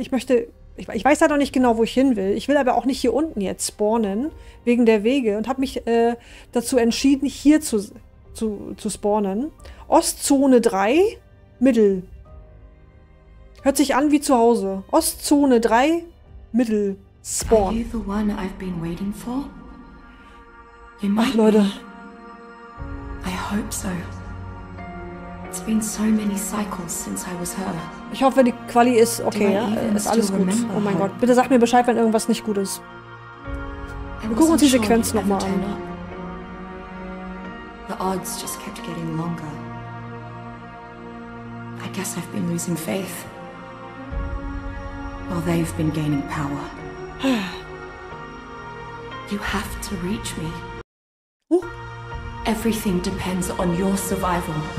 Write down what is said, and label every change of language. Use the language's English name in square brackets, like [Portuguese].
[German] Ich weiß halt noch nicht genau, wo ich hin will. Ich will aber auch nicht hier unten jetzt spawnen, wegen der Wege. Und habe mich dazu entschieden, hier zu spawnen. Ostzone 3, Mittel. Hört sich an wie zu Hause. Ostzone 3, Mittel. Spawn. [English] Are you the one I've been waiting for? You might [German] Ach, Leute. [English] Be. I hope so. It's been so many cycles since I was her. [German] Ich hoffe, die Quali ist okay, ja? Ist alles gut. Oh mein Gott. Bitte sag mir Bescheid, wenn irgendwas nicht gut ist. Wir gucken uns die Sequenz nochmal an. [English] The odds just kept getting longer. I guess I've been losing faith. While they've been gaining power. You have to reach me. Everything depends on your survival.